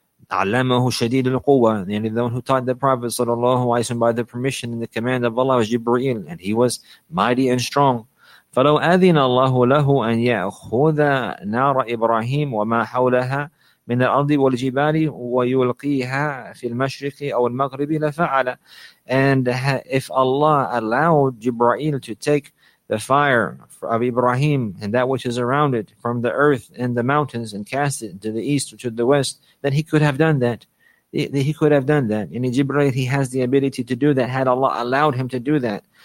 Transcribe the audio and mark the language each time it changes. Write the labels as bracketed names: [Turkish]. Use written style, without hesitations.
[Arabic] علمه شديد القوة, يعني [English] the one who taught the Prophet صلى الله عليه وسلم by the permission and the command of Allah was Jibreel, and he was mighty and strong. [Arabic] فلو أذن الله له أن يأخذ نار إبراهيم وما حولها من الأرض والجبال ويلقيها في المشرق أو المغرب لفعل. [English] And if Allah allowed Jibreel to take the fire of Ibrahim and that which is around it from the earth and the mountains and cast it to the east or to the west, then he could have done that. He could have done that. And Jibreel, he has the ability to do that had Allah allowed him to do that.